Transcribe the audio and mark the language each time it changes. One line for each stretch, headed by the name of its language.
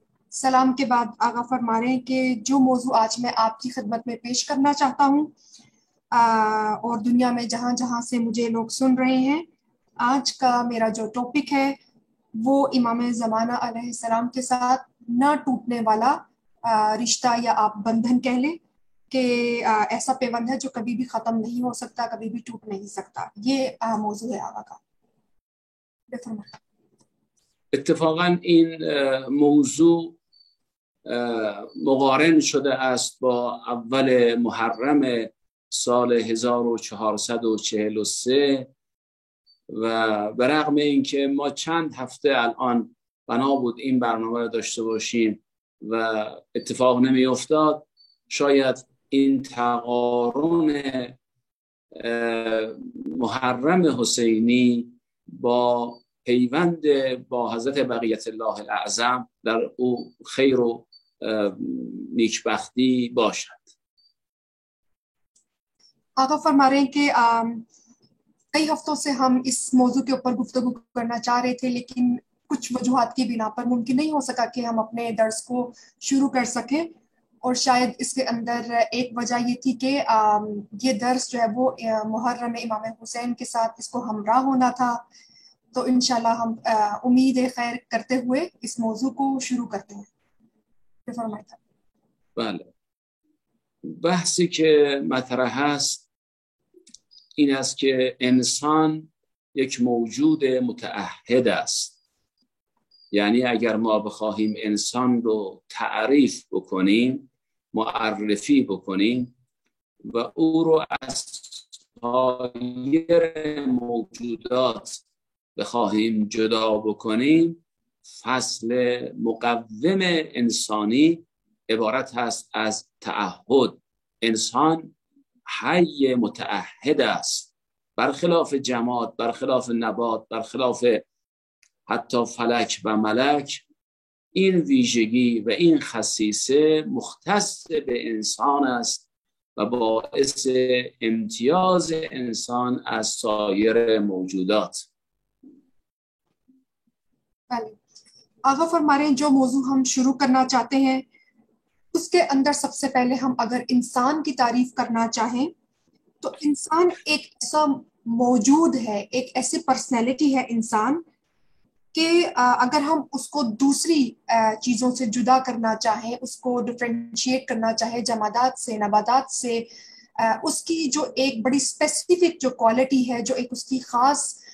Urdu: سلام کے بعد آغا فرما رہے ہیں کہ جو موضوع آج میں آپ کی خدمت میں پیش کرنا چاہتا ہوں اور دنیا میں جہاں جہاں سے مجھے لوگ سن رہے ہیں آج کا میرا جو ٹاپک ہے وہ امام زمانہ علیہ السلام کے ساتھ نہ ٹوٹنے والا رشتہ یا آپ بندھن کہہ لیں کہ ایسا پیوند ہے جو کبھی بھی ختم نہیں ہو سکتا کبھی بھی ٹوٹ نہیں سکتا یہ موضوع ہے آغا کا
Persian: اتفاقا این موضوع مقارن شده است با اول محرم سال 1443 و به رغم اینکه ما چند هفته الان بنا بود این برنامه را داشته باشیم و اتفاق نمی افتاد شاید این تقارن محرم حسینی با پیوند با حضرت بقیت الله الاعظم در او خیر و نیکبختی باشد
Urdu: آقا فرما رہے ہیں کہ کئی ہفتوں سے ہم اس موضوع کے اوپر گفتگو کرنا چاہ رہے تھے لیکن کچھ وجوہات کی بنا پر ممکن نہیں ہو سکا کہ ہم اپنے درس کو شروع کر سکیں اور شاید اس کے اندر ایک وجہ یہ تھی کہ یہ درس جو ہے وہ محرم امام حسین کے ساتھ اس کو ہمراہ ہونا تھا تو انشاءاللہ ہم امید خیر کرتے ہوئے اس موضوع کو شروع کرتے ہیں فرمایا تھا
Persian: بله بحثی که مطرح است این است که انسان یک موجود متعهد است یعنی اگر ما بخواهیم انسان رو تعریف بکنیم معرفی بکنیم و او رو از سایر موجودات بخواهیم جدا بکنیم فصل مقوم انسانی عبارت هست از تعهد انسان حی متعهد است برخلاف جماد برخلاف نبات برخلاف حتی فلک و ملک این ویژگی و این خصیصه مختص به انسان است و باعث امتیاز انسان از سایر موجودات
Urdu: بله آقا فرمارین جو موضوع هم شروع کرنا چاہتے ہیں اس کے اندر سب سے پہلے ہم اگر انسان کی تعریف کرنا چاہیں تو انسان ایک ایسا موجود ہے ایک ایسی پرسنیلٹی ہے انسان کہ اگر ہم اس کو دوسری چیزوں سے جدا کرنا چاہیں اس کو ڈیفرینشیٹ کرنا چاہیں جمادات سے نباتات سے اس کی جو ایک بڑی اسپیسیفک جو کوالٹی ہے جو ایک اس کی خاص